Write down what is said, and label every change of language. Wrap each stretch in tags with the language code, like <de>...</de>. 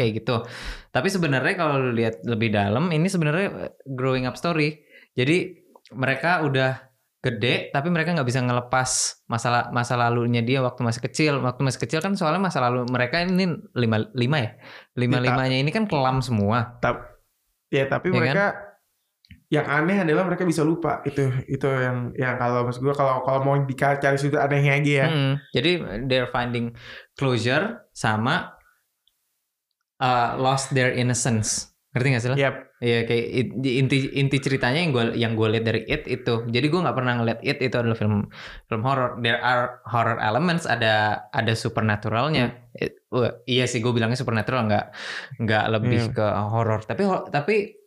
<id>Kayak gitu, tapi sebenarnya kalau lihat lebih dalam ini sebenarnya growing up story, jadi mereka udah gede tapi mereka nggak bisa ngelepas masa lalunya dia waktu masih kecil kan, soalnya masa lalu mereka ini lima ini kan kelam semua. Tapi mereka kan? Yang aneh adalah mereka bisa lupa itu yang kalau maksud gue kalau mau dicari sudut anehnya aja ya. Hmm, jadi</id> <en>they're finding closure</en> <id>sama</id> <en>lost their innocence.</en> <id>Ngerti nggak sih lah? Yep. Iya kayak inti ceritanya yang gue lihat dari It itu. Jadi gue nggak pernah ngeliat It itu adalah film horror.</id> <en>There are horror elements,</en> <id>ada supernaturalnya. Iya sih gue bilangnya supernatural nggak lebih ke horror. Tapi</id>